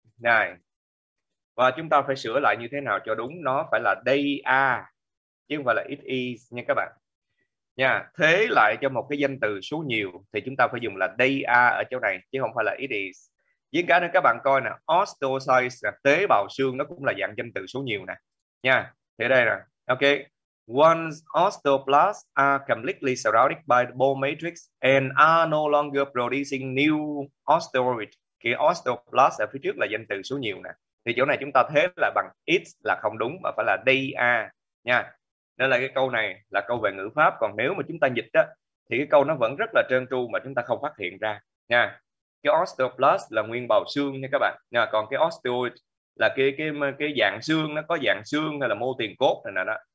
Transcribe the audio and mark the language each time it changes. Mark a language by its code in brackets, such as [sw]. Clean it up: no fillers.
[vi] Này, và chúng ta phải sửa lại như thế nào cho đúng, nó phải là they are chứ không phải là it is nha các bạn nha. Thế lại cho một cái danh từ số nhiều thì chúng ta phải dùng là they are ở chỗ này chứ không phải là it is. Với cái nữa các bạn coi nè, osteocytes, tế bào xương, nó cũng là dạng danh từ số nhiều nè nha. Thế đây nè, ok. [en] Once osteoblasts are completely surrounded by the bone matrix and are no longer producing new osteoid. [vi] Cái osteoblast ở phía trước là danh từ số nhiều nè. Thì chỗ này chúng ta thế là bằng it là không đúng mà phải là they are nha. Nên là cái câu này là câu về ngữ pháp. Còn nếu mà chúng ta dịch á, thì cái câu nó vẫn rất là trơn tru mà chúng ta không phát hiện ra nha. Cái osteoblast là nguyên bào xương nha các bạn nha. Còn cái osteoid là cái dạng xương, nó có dạng xương hay là mô tiền cốt này nè đó.